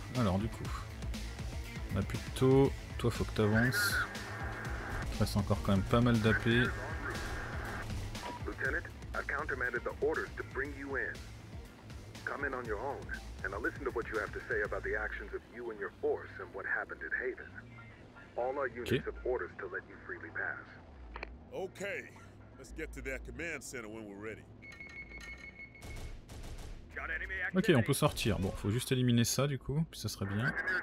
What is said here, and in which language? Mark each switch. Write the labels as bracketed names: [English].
[French] Alors du coup, on a plus de taux. Toi, faut que t'avances. Il reste encore quand même pas mal d'AP. [English] Lieutenant, I countermanded the orders to bring you in. Come in on your own, and I'll listen to what you have to say about the actions of you and your force and what happened at Haven. All our units have orders to let you freely pass. Okay, let's get to that command center when we're ready. [French] Ok, on peut sortir. Bon, faut juste éliminer ça du coup, puis ça serait bien.